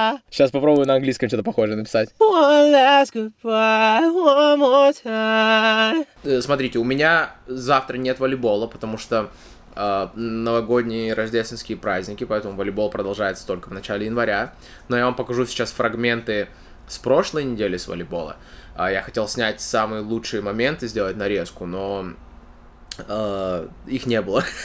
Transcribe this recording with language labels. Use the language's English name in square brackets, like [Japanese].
[Russian] Сейчас попробую на английском что-то похожее написать. [English] One last goodbye, one more time. [Russian] Смотрите, у меня завтра нет волейбола, потому что новогодние рождественские праздники, поэтому волейбол продолжается только в начале января. Но я вам покажу сейчас фрагменты с прошлой недели с волейбола. Я хотел снять самые лучшие моменты, сделать нарезку, но их не было.